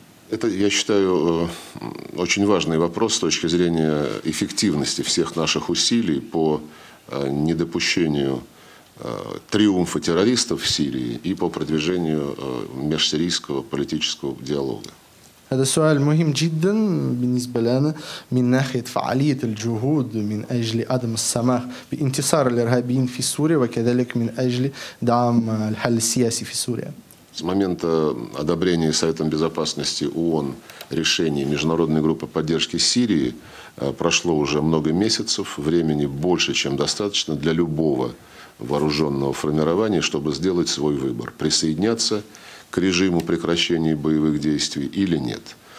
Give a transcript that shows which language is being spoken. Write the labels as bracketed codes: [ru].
[ru] Это, я считаю, очень важный вопрос с точки зрения эффективности всех наших усилий по недопущению триумфа террористов в Сирии и по продвижению межсирийского политического диалога. [ar] هذا سؤال مهم جدا بالنسبة لنا من ناحية فعالية الجهود من أجل عدم السماح بانتصار الإرهابيين في سوريا وكذلك من أجل دعم الحل السياسي في سوريا. [ru] С момента одобрения Советом Безопасности ООН решений Международной группы поддержки Сирии прошло уже много месяцев, времени больше, чем достаточно для любого вооруженного формирования, чтобы сделать свой выбор, присоединяться к режиму прекращения боевых действий или нет.